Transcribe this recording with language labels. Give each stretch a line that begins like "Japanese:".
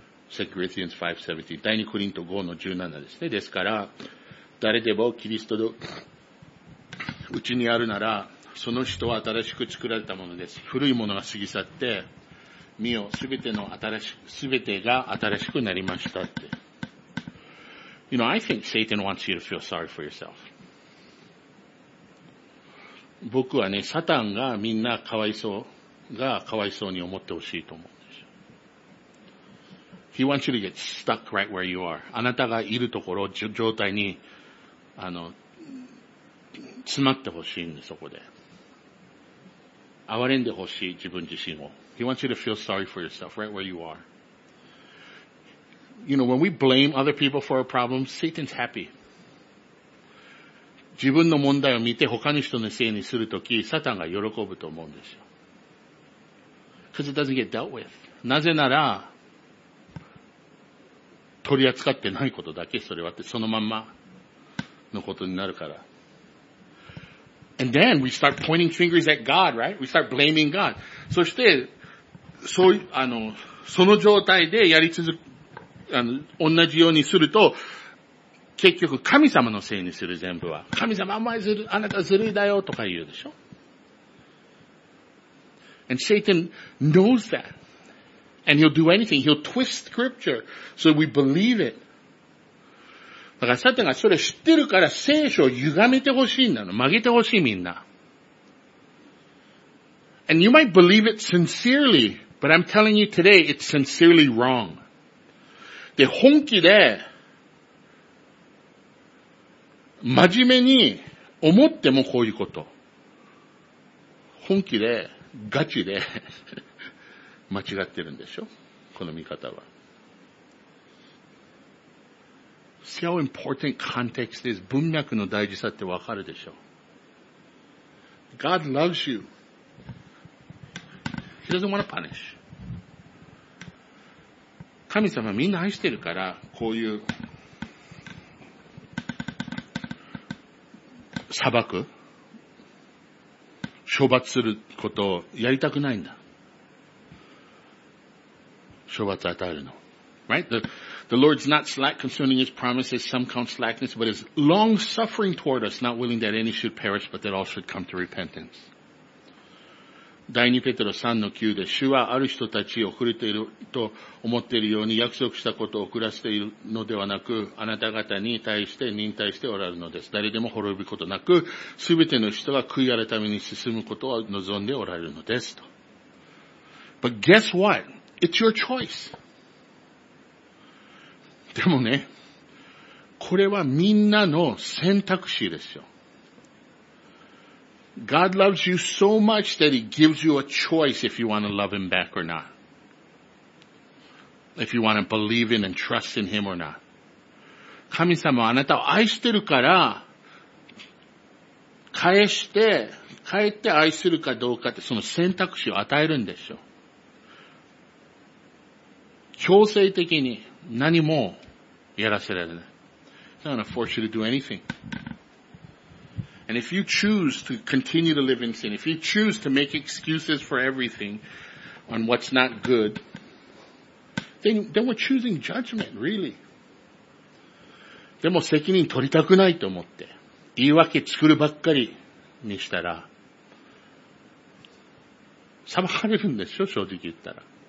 Japanese: 2 Corinthians 5:17. 第2コリント5の17ですね。ですから、誰でもキリストのうちにあるなら、その人は新しく作られたものです。古いものが過ぎ去って、見よ、すべてが新しくなりましたって。
English: You know, I think Satan wants you to feel sorry for yourself.
Japanese: 僕はね、サタンがみんなかわいそうに思ってほしいと思うんですよ。
English: He wants you to get stuck right where you are.
Japanese: あなたがいるところ、状態に、詰まってほしいんで、そこで。憐れんでほしい、自分自身を。
English: He wants you to feel sorry for yourself right where you are. You know, when we blame other people for our problems, Satan's happy.
Japanese: 自分の問題を見て他の人のせいにするとき、サタンが喜ぶと思うんですよ。
English: Because it doesn't get dealt with.
Japanese: なぜなら、取り扱ってないことだけ、それはって、そのまんまのことになるから。
English: And then we start pointing fingers at God, right? We start blaming God.
Japanese: そして、その状態でやり続け、同じようにすると、結局神様のせいにする全部は。神様甘いずる、あなたずるいだよとか言うでしょ。
English: And Satan knows that. And he'll do anything. He'll twist scripture so we believe it.
Japanese: だからサタンがそれ知ってるから聖書を歪めてほしいんだの。曲げてほしいみんな。
English: And you might believe it sincerely, but I'm telling you today, it's sincerely wrong.
Japanese: で、本気で、真面目に思ってもこういうこと。本気で、ガチで、間違ってるんでしょ? この見方は。
English: See how important context is.
Japanese: 文脈の大事さってわかるでしょ
English: ?God loves you. He doesn't want to punish.
Japanese: 神様みんな愛してるから、こういう、裁く? 処罰することをやりたくないんだ。処罰与えるの。Right?
English: The Lord's not slack concerning His promises, some count slackness, but is long suffering toward us, not willing that any should perish, but that all should come to repentance.
Japanese: 第2ペテロ3の9で、主はある人たちを遅れていると思っているように約束したことを遅らせているのではなく、あなた方に対して忍耐しておられるのです。誰でも滅びことなく、すべての人が悔い改めために進むことを望んでおられるのですと。
English: But guess what? It's your choice. でもね、
Japanese: これはみんなの選択肢ですよ。
English: God loves you so much that he gives you a choice if you want to love him back or not. If you want to believe in and trust in him or not.
Japanese: 神様はあなたを愛してるから、返って愛するかどうかってその選択肢を与えるんですよ。強制的に何もやらせられない。
English: He's not going to force you to do anything. And if you choose to continue to live in sin, if you choose to make excuses for everything on what's not good, then we're choosing judgment, really.
Japanese: でも責任取りたくないと思って、言い訳作るばっかりにしたら、裁かれるんでしょ、正直言ったら。